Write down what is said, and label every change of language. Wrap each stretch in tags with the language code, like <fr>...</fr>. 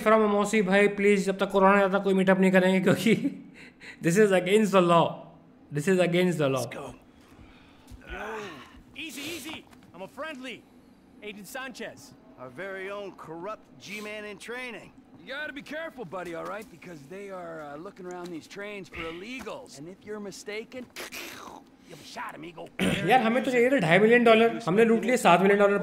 <hi>From मौसी भाई please, जब तक कोरोना नहीं आता कोई मीटअप नहीं करेंगे, क्योंकि</hi> <en>This is against the law. Easy. I am a friendly agent Sanchez, our very own corrupt G man in training. You gotta be careful, buddy, all right? Because they are looking around these trains for illegals. And if you're mistaken, you'll be shot, amigo.</en> <hi>यार हमें तो चाहिए थे $2.5 million. हमने लूट लिए $7 million.</hi>